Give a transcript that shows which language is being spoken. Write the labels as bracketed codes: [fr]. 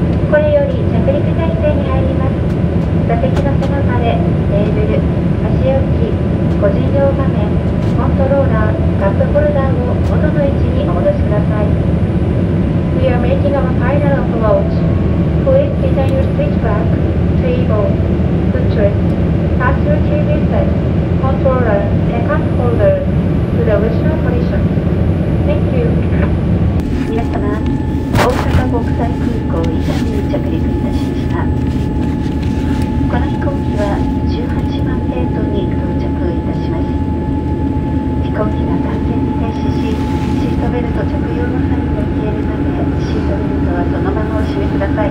[ja] これより着陸態勢に入ります。座席の背中でテーブル、足置き、個人用画面、コントローラー、カップホルダーを元の位置にお戻しください。 [en] We are making our final approach. Please return your seat back, table, footrest, pass your TV set, controller, and cup holder to the original position. Thank you. [ja] 皆様、大阪国際空港伊丹に着陸いたしました。この飛行機は18番ゲートに到着いたします。飛行機が完全に停止し、シートベルト着用の範囲が消えるため、シートベルトはそのままお締めください。